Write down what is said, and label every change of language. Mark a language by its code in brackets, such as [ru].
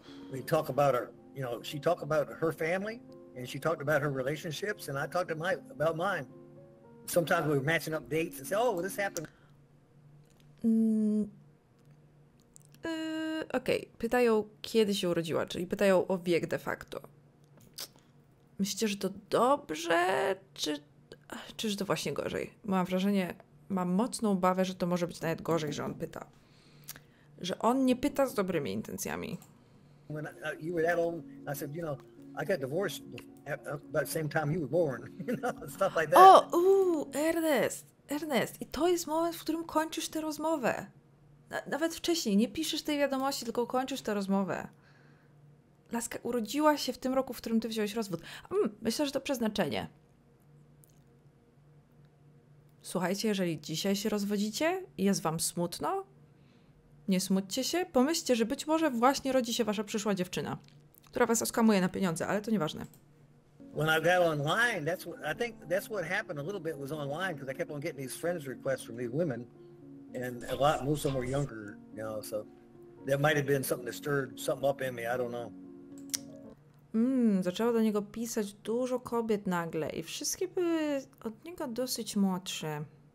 [en] We talk about her, you know, she talked about her family and she talked about her relationships and I talked about mine. Sometimes we were matching up dates and say, oh, this happened. Okej, okay. [pl] Pytają, kiedy się urodziła, czyli pytają o wiek de facto. Myślicie, że to dobrze, czy... Czyż to właśnie gorzej? Mam wrażenie, mam mocną obawę, że to może być nawet gorzej, że on pyta. Że on nie pyta z dobrymi intencjami. [en] When you were that old, I said, you know, I got divorced about the same time you were born, stuff like that. [pl] O, Ernest, i to jest moment, w którym kończysz tę rozmowę. Nawet wcześniej, nie piszesz tej wiadomości, tylko kończysz tę rozmowę. Laska urodziła się w tym roku, w którym ty wziąłeś rozwód. Myślę, że to przeznaczenie. Słuchajcie, jeżeli dzisiaj się rozwodzicie i jest wam smutno, nie smućcie się. Pomyślcie, że być może właśnie rodzi się wasza przyszła dziewczyna, która was oskamuje na pieniądze, ale to nieważne. [en] When I got online, I think that's what happened a little bit was online, because I kept on getting these friends requests from these women, and a lot, most of them were younger, you know, so that might have been something that stirred something up in me, I don't know. [pl] Zaczęło do niego pisać dużo kobiet nagle i wszystkie były od niego dosyć młodsze.